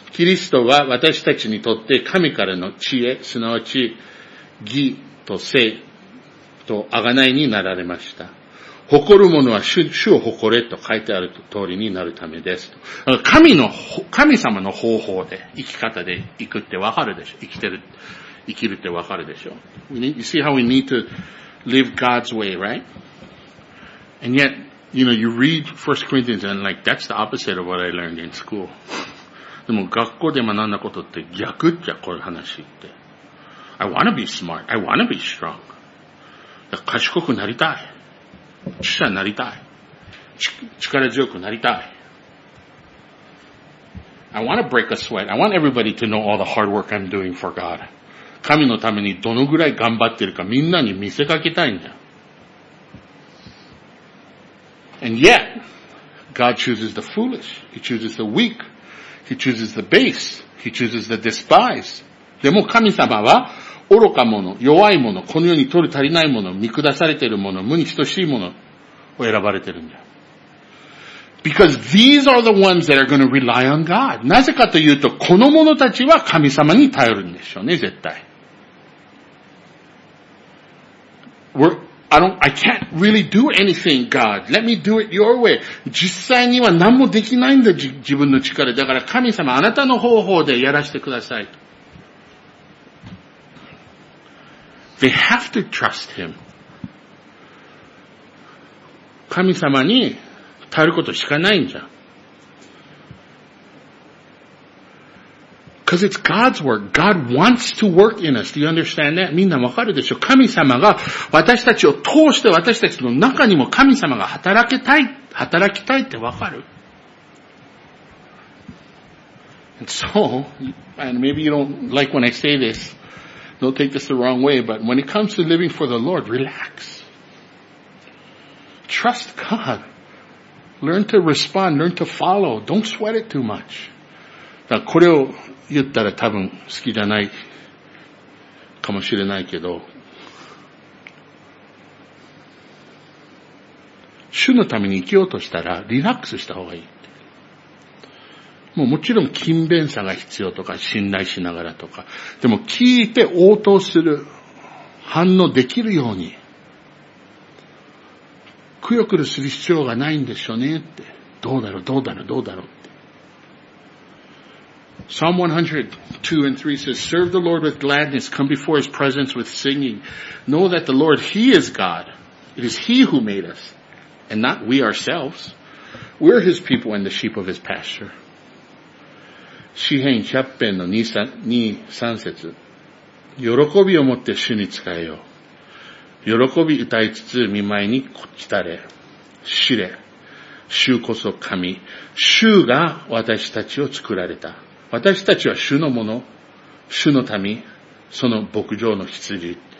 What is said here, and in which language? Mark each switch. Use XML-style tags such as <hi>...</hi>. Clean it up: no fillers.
<ja>キリストは私たちにとって神からの知恵、すなわち義と聖と贖いになられました。誇る者は主を誇れと書いてある通りになるためです。神様の方法で、生き方で行くってわかるでしょ。生きるってわかるでしょ。</ja> <en>You see how we need to live God's way, right? And yet, you know, you read 1 Corinthians and like, that's the opposite of what I learned in school.</en> <ja>でも学校で学んだことって逆っちゃ、この話って。</ja> <en>I want to be smart. I want to be strong.</en> <ja>賢くなりたい。知者になりたい。力強くなりたい。</ja> <en>I want to break a sweat. I want everybody to know all the hard work I'm doing for God.</en> <ja>神のためにどのぐらい頑張ってるかみんなに見せかけたいんだ。</ja> <en>And yet, God chooses the foolish. He chooses the weak. He chooses the base. He chooses the despised.</en> <ja>でも神様は愚か者、弱い者、この世に取る足りない者、見下されている者、無に等しい者を選ばれているんだ。</ja> <en>Because these are the ones that are going to rely on God.</en> <ja>なぜかというと、この者たちは神様に頼るんでしょうね、絶対。</ja> <en>I can't really do anything, God. Let me do it your way.</en> <ja>実際には何もできないんだ、自分の力で。だから神様、あなたの方法でやらせてください。</ja> <en>They have to trust him.</en> <ja>神様に頼ることしかないんじゃ。</ja> <en>Because it's God's work. God wants to work in us. Do you understand that?</en> <ja>みんなわかるでしょ。神様が私たちを通して私たちの中にも神様が働きたいってわかる。</ja> <en>And so, and maybe you don't like when I say this. Don't take this the wrong way, but when it comes to living for the Lord, relax. Trust God. Learn to respond. Learn to follow. Don't sweat it too much.</en> <ja>だからこれを言ったら多分好きじゃないかもしれないけど、主のために生きようとしたらリラックスした方がいい。もうもちろん勤勉さが必要とか信頼しながらとか、でも聞いて応答する反応できるようにくよくるする必要がないんでしょうねって、どうだろうどうだろうどうだろうって。</ja> <en>Psalm 102 and 3 says, Serve the Lord with gladness. Come before His presence with singing. Know that the Lord, He is God. It is He who made us, and not we ourselves. We're His people and the sheep of His pasture.</en> <ja>詩編100編の 2、3節。喜びをもって主に仕えよう。喜び歌いつつ御前に来たれ。知れ。主こそ神。主が私たちを作られた。私たちは主のもの、主の民、その牧場の羊。</ja>